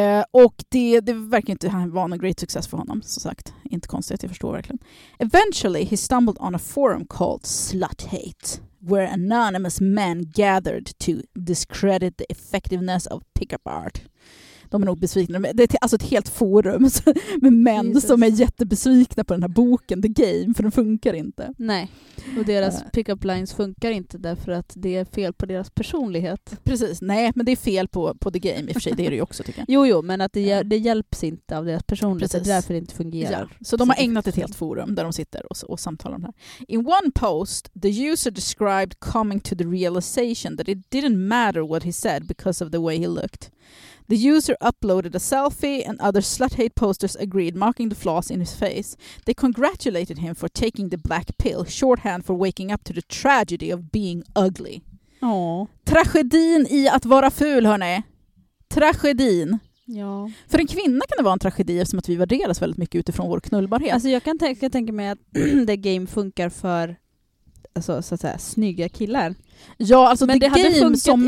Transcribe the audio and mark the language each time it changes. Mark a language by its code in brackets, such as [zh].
[sv] Och det verkar inte vara någon [en] great success [sv] för honom, som sagt. Inte konstigt, jag förstår verkligen. [en] Eventually he stumbled on a forum called Slut Hate, where anonymous men gathered to discredit the effectiveness of pickup art. [sv] De är nog besvikna. Det är alltså ett helt forum med män, Jesus, som är jättebesvikna på den här boken, The Game, för den funkar inte. Nej, och deras pickup lines funkar inte därför att det är fel på deras personlighet. Precis, nej, men det är fel på The Game i och för sig, det är det ju också, tycker jag. Jo, men att det hjälps inte av deras personlighet, precis, det är därför det inte fungerar. Ja. Så de har ägnat ett helt forum där de sitter och samtalar om det här. [en] In one post, the user described coming to the realization that it didn't matter what he said because of the way he looked. The user uploaded a selfie and other slut hate posters agreed, mocking the flaws in his face. They congratulated him for taking the black pill, shorthand for waking up to the tragedy of being ugly. Åh. [sv] Tragedin i att vara ful, hörrni. Tragedin. Ja. För en kvinna kan det vara en tragedi eftersom att vi värderas väldigt mycket utifrån vår knullbarhet. Alltså jag kan tänka mig att The Game funkar för, alltså, så att säga, snygga killar. Ja, alltså, men det hade funkat som